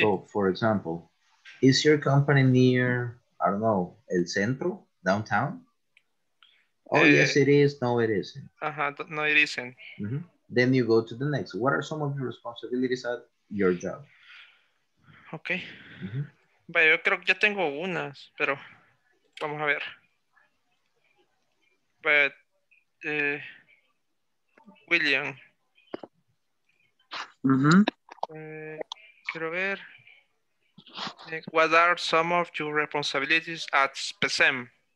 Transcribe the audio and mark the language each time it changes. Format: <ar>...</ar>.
<en>So, for example, is your company near, I don't know,</en> <es>el centro,</es> <en>downtown? Oh, yes, it is. No, it isn't. Uh-huh. No, it isn't. Mm-hmm. Then you go to the next. What are some of your responsibilities at your job? Okay. Mm-hmm.</en> <es>Bueno, yo creo que ya tengo unas, pero vamos a ver.</es> <en>But William,</en> <es>quiero ver,</es> <en>what are some of your responsibilities at SPSEM?</en>